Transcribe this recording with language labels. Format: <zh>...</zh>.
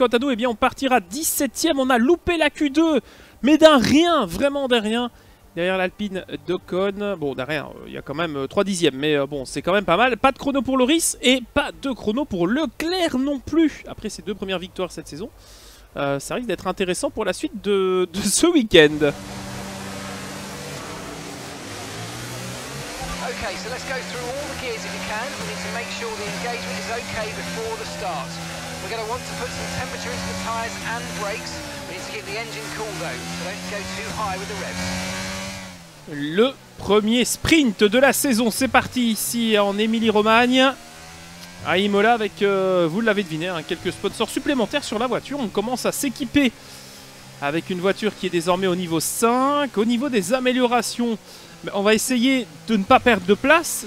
<fr>Quant à nous, eh bien, on partira 17e. On a loupé la Q2, mais d'un rien, vraiment d'un rien. Derrière l'Alpine d'Ocon, bon derrière, il y a quand même 3 dixièmes, mais bon, c'est quand même pas mal. Pas de chrono pour Loris et pas de chrono pour Leclerc non plus, après ses deux premières victoires cette saison. Ça risque d'être intéressant pour la suite de ce week-end.</fr> <en>Okay, so let's go through all the gears if you can. We need to make sure the engagement is okay before the start. We're going to want to put some temperature into the tires and brakes. We need to keep the engine cool though, so don't go too high with the revs.</en> <fr>Le premier sprint de la saison, c'est parti ici en Émilie-Romagne, à Imola avec, vous l'avez deviné, hein, quelques sponsors supplémentaires sur la voiture. On commence à s'équiper avec une voiture qui est désormais au niveau 5. Au niveau des améliorations, on va essayer de ne pas perdre de place.</fr>